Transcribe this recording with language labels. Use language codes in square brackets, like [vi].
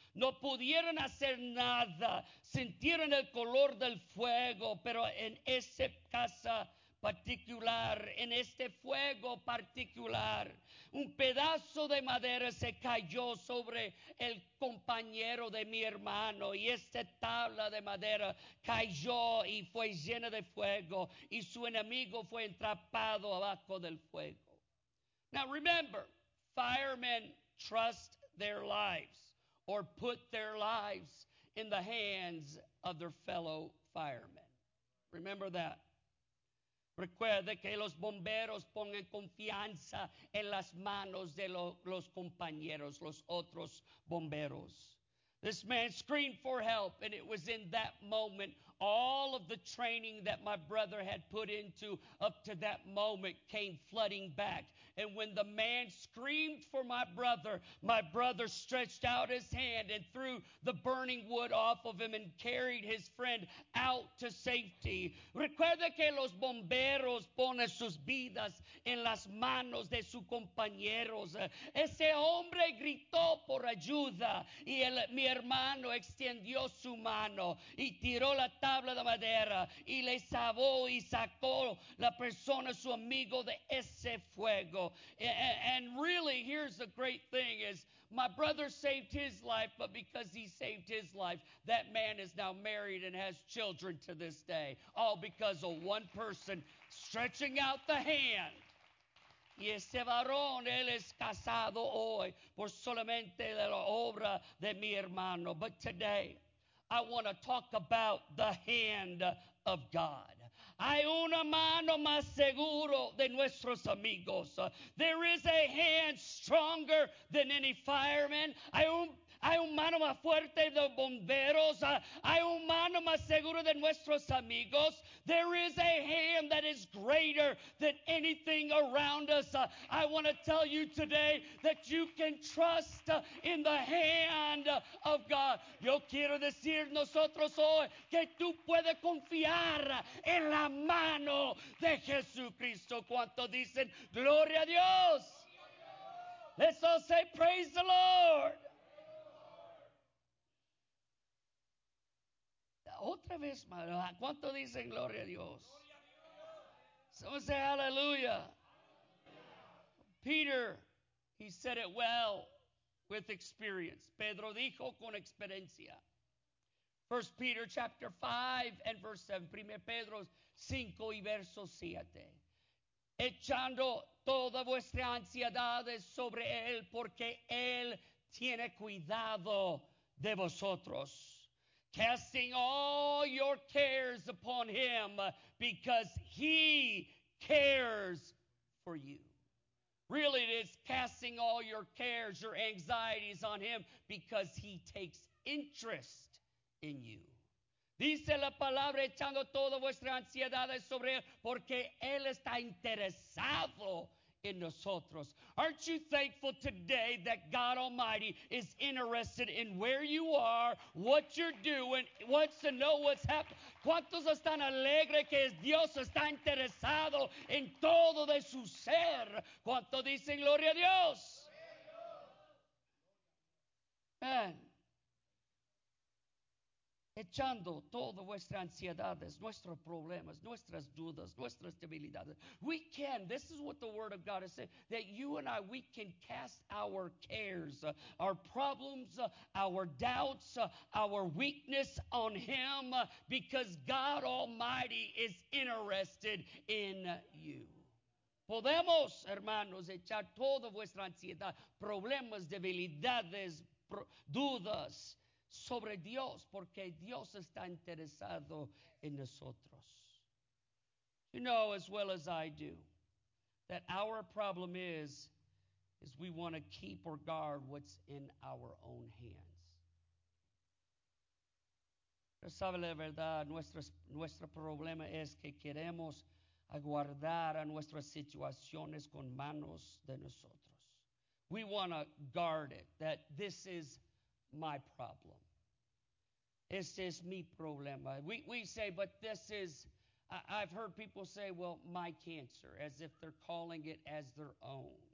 [es] No pudieron hacer nada. Sintieron el color del fuego, pero en esa casa particular, en este fuego particular, un pedazo de madera se cayó sobre el compañero de mi hermano, y esta tabla de madera cayó y fue llena de fuego, y su enemigo fue atrapado abajo del fuego. [en] Now remember, firemen trust their lives or put their lives in the hands of their fellow firemen. Remember that. [es] Recuerde que los bomberos pongan confianza en las manos de los compañeros, los otros bomberos. [en] This man screamed for help, and it was in that moment all of the training that my brother had put into up to that moment came flooding back. And when the man screamed for my brother stretched out his hand and threw the burning wood off of him and carried his friend out to safety. [es] Recuerda que los bomberos ponen sus vidas en las manos de sus compañeros. Ese hombre gritó por ayuda, y mi hermano extendió su mano y tiró la tabla de madera y le salvó y sacó la persona, su amigo, de ese fuego. [en] And really, here's the great thing is my brother saved his life, but because he saved his life, that man is now married and has children to this day, all because of one person stretching out the hand. [es] Y ese varón, él es casado hoy por solamente de la obra de mi hermano. [en] But today, I want to talk about the hand of God. [es] Hay una mano más seguro de nuestros amigos. [en] There is a hand stronger than any fireman. [es] Hay un mano más fuerte de bomberos. Hay un mano más seguro de nuestros amigos. [en] There is a hand that is greater than anything around us. I want to tell you today that you can trust in the hand of God. [es] Yo quiero decir nosotros hoy que tú puedes confiar en la mano de Jesucristo. ¿Cuánto dicen gloria a Dios? [en] Let's all say praise the Lord. [es] Otra vez, ¿cuánto dicen gloria a Dios? [en] Someone say hallelujah. Peter, he said it well with experience. [es] Pedro dijo con experiencia. [en] 1 Peter chapter 5 and verse 7. [es] 1 Pedro 5 y verso 7. Echando toda vuestra ansiedad sobre él, porque él tiene cuidado de vosotros. [en] Casting all your cares upon him because he cares for you. Really, it is casting all your cares, your anxieties on him because he takes interest in you. [es] Dice la palabra echando todas vuestras ansiedades sobre él porque él está interesado en nosotros. [en] Aren't you thankful today that God Almighty is interested in where you are, what you're doing, wants to know what's happening? [es] ¿Cuántos están alegres que Dios está interesado en todo de su ser? ¿Cuántos dicen gloria a Dios? And echando todas nuestras ansiedades, nuestros problemas, nuestras dudas, nuestras debilidades. [en] We can, this is what the word of God is saying, that you and I, we can cast our cares, our problems, our doubts, our weakness on him because God Almighty is interested in you. [es] Podemos, hermanos, echar toda nuestra ansiedad, problemas, debilidades, dudas, sobre Dios, porque Dios está interesado en nosotros. [en] You know as well as I do that our problem is we want to keep or guard what's in our own hands. [es] Pero sabe la verdad, nuestro problema es que queremos aguardar a nuestras situaciones con manos de nosotros. [en] We want to guard it, that this is my problem. [es] Este es mi problema. [en] We say, but this is, I've heard people say, well, my cancer, as if they're calling it as their own.